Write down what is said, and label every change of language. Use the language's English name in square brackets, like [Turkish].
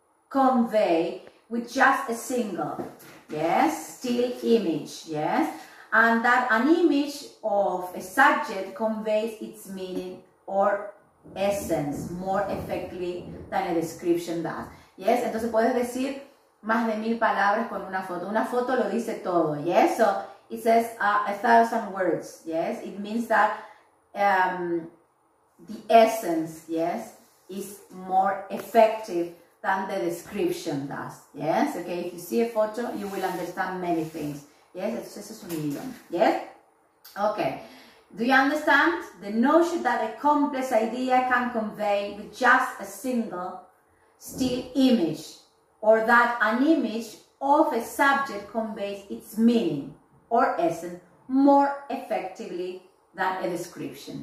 [English] convey with just a single, yes, still image, yes, and that an image of a subject conveys its meaning or essence more effectively than a description does, yes. [Spanish] Entonces puedes decir más de 1,000 palabras con una foto. Una foto lo dice todo, [English] yes. So it says 1,000 words, yes. It means that the essence, yes, is more effective than the description does, yes. Okay, if you see a photo, you will understand many things, yes. [Spanish] Entonces eso es un idioma, [English] yes. Okay. Do you understand the notion that a complex idea can convey with just a single still image, or that an image of a subject conveys its meaning or essence more effectively than a description?